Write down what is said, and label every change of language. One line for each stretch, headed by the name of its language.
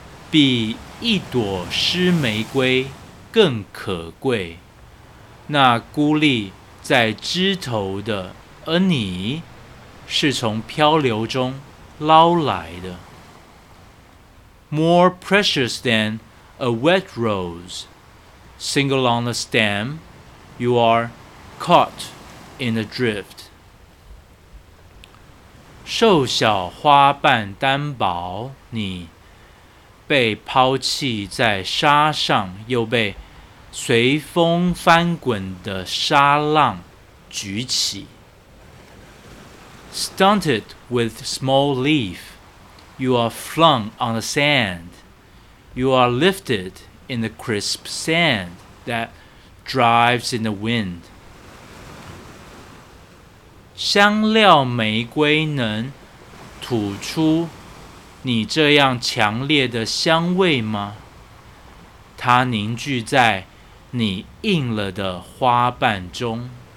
Chinese: 比一朵湿玫瑰更可贵，那孤立在枝头的，而你是从漂流中捞来的。
English: More precious than. A wet rose, single on the stem, you are caught in a drift.
Chinese: 瘦小花瓣单薄，你被抛弃在沙上，又被随风翻滚的沙浪举起。
English: Stunted with small leaf, you are flung on the sand.You are lifted in the crisp sand. that drives in the wind.
Chinese: 香料玫瑰能吐出你这样强烈的香味吗？它凝聚在你硬了的花瓣中。